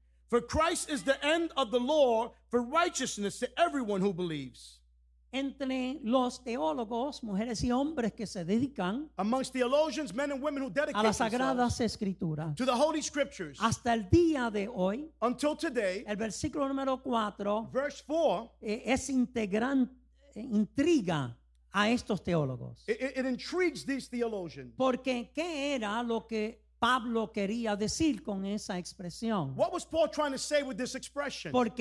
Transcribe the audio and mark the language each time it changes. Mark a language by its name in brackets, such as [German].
[English] For Christ is the end of the law for righteousness to everyone who believes. [Spanish] Entre los teólogos, mujeres y hombres que se dedican [English] amongst theologians, men and women who dedicate [Spanish] a las sagradas escrituras [English] to the holy scriptures [Spanish] hasta el día de hoy [English] until today [Spanish] el versículo número 4 [English] verse 4 [Spanish] es integrante intriga a estos teólogos. [English] It intrigues these theologians. [Spanish] Porque qué era lo que Pablo quería decir con esa expresión. [English] What was Paul trying to say with this expression?